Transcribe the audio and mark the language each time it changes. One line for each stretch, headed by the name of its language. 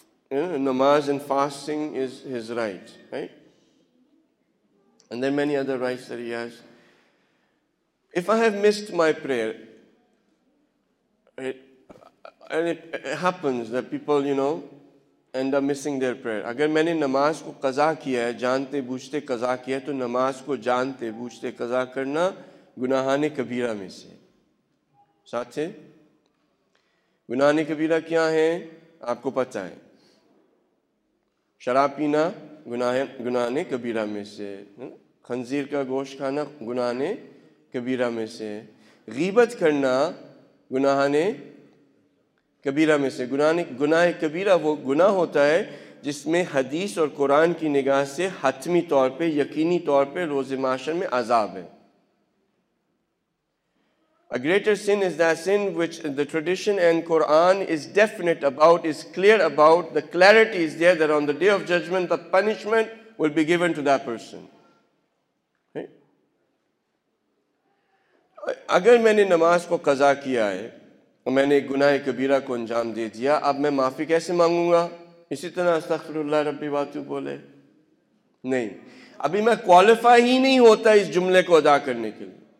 English: You know, namaz and fasting is His right, right? And there are many other rights that He has. If I have missed my prayer, right, and it happens that people, you know, end up missing their prayer.
Urdu: اگر میں نے نماز کو قضا کیا ہے, جانتے بوجھتے قضا کیا ہے, تو نماز کو جانتے بوجھتے قضا کرنا گناہان کبیرہ میں سے. ساتھی, گناہان کبیرہ کیا ہیں آپ کو پتہ ہے؟ شراب پینا گناہان کبیرہ میں سے, خنزیر کا گوشت کھانا گناہان کبیرہ میں سے, غیبت کرنا گناہان کبیرہ میں سے. گناہ کبیرہ وہ گناہ ہوتا ہے جس میں حدیث اور قرآن کی نگاہ سے حتمی طور پہ, یقینی طور پہ روز معاشر میں عذاب ہے.
English: A greater sin is that sin which the tradition and Quran is definite about, is clear about, the clarity is there that on the day of judgment the punishment will be given to that person.
Urdu: اگر میں نے نماز کو قضا کیا ہے, میں نے گناہ کبیرہ کو انجام دے دیا, اب میں معافی کیسے مانگوں گا؟ اسی طرح استغفر اللہ ربی واتوب بولے نہیں, ابھی میں کوالیفائی ہی نہیں ہوتا اس جملے کو ادا کرنے کے لیے.